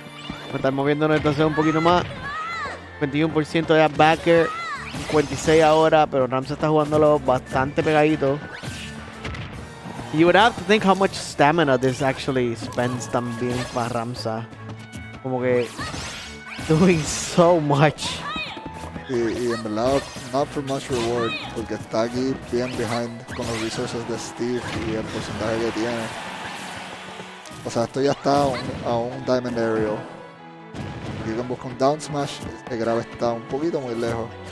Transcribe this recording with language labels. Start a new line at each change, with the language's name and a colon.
Spanish: Vamos a estar moviéndonos entonces un poquito más. 21% de backer, 56 ahora, pero Ramsa está jugándolo bastante pegadito.
English: You would have to think how much stamina this actually spends
Spanish: también
English: para Ramsa.
Spanish: Como que
English: doing so much.
Spanish: Y en verdad,
English: not for much reward,
Spanish: porque está aquí bien behind con los resources de Steve y el porcentaje que tiene. O sea, esto ya está a un diamond aerial. Aquí con busca un down smash, el grab está un poquito muy lejos.